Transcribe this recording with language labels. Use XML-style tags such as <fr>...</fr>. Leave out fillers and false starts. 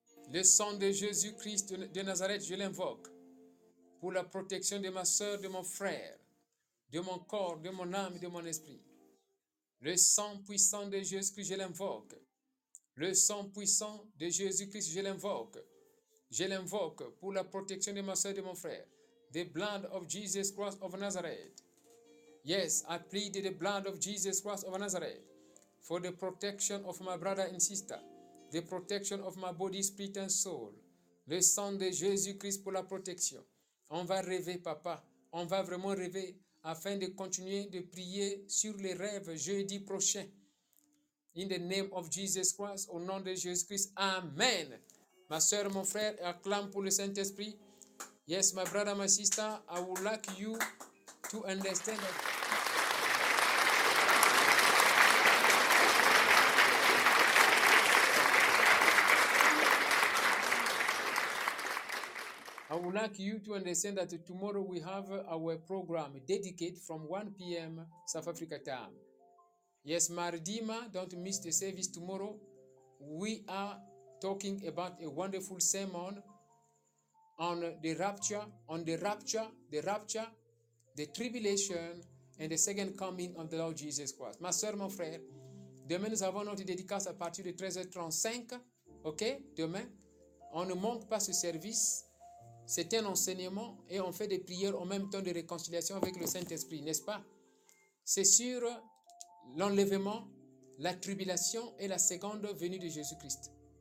<fr>Le sang de Jésus-Christ de Nazareth, je l'invoque pour la protection de ma sœur, de mon frère, de mon corps, de mon âme, de mon esprit. Le sang puissant de Jésus-Christ, je l'invoque. Le sang puissant de Jésus-Christ, je l'invoque. Je l'invoque pour la protection de ma sœur et de mon frère.</fr> <en>The blood of Jesus Christ of Nazareth. Yes, I plead the blood of Jesus Christ of Nazareth for the protection of my brother and sister. The protection of my body, spirit and soul.</en> <fr>Le sang de Jésus-Christ pour la protection. On va rêver, papa. On va vraiment rêver afin de continuer de prier sur les rêves jeudi prochain.</fr> <en>In the name of Jesus Christ,</en> <fr>au nom de Jésus-Christ,</fr> <en>amen.</en> <fr>Ma sœur, mon frère, acclame pour le Saint-Esprit.</fr> <en>Yes, my brother, my sister, I would like you to understand that. I would like you to understand that tomorrow we have our program dedicated from 1 p.m. South Africa time. Yes, Mardima, don't miss the service tomorrow. We are talking about a wonderful sermon on the rapture, the tribulation, and the second coming of the Lord Jesus Christ.</en> <fr>Ma soeur, mon frère, demain nous avons notre dédicace à partir de 13h35, ok? Demain, on ne manque pas ce service. C'est un enseignement et on fait des prières en même temps de réconciliation avec le Saint-Esprit, n'est-ce pas? C'est sur l'enlèvement, la tribulation et la seconde venue de Jésus-Christ.</fr>